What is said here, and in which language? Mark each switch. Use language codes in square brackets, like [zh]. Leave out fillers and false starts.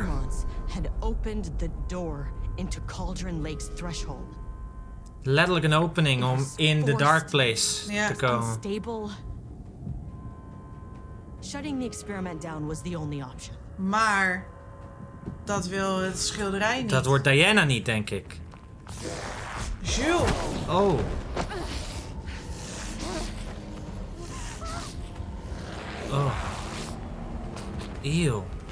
[en] Mormons had opened the door into Cauldron Lake's threshold. [nl] Letterlijk een opening om [en] in the dark place [nl] te komen. [en] Unstable. Shutting the experiment down was the only option. [nl] Maar dat wil het schilderij niet. Dat wordt Diana niet, denk ik. Jules! Oh. Oh. Eeuw.